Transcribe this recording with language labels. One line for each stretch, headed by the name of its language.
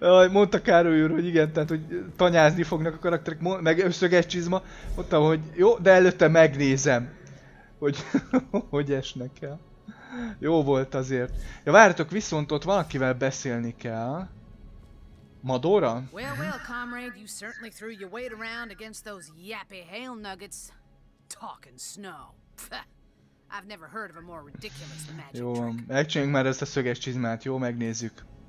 Hungarian: Mondta Károly úr, hogy igen, tehát hogy tanyázni fognak a karakterek, meg összöges csizma. Mondtam, hogy jó, de előtte megnézem, hogy hogy esnek el. Jó volt azért. Ja, várjatok, viszont ott valakivel beszélni kell. Madora?
English: Well, well, comrade, you certainly threw your weight around against those yappy hail nuggets. Talking snow. I've never heard of a more ridiculous magic trick.
Hungarian: Jó, megcsináljunk már ezt a szöges csizmát, jó, megnézzük.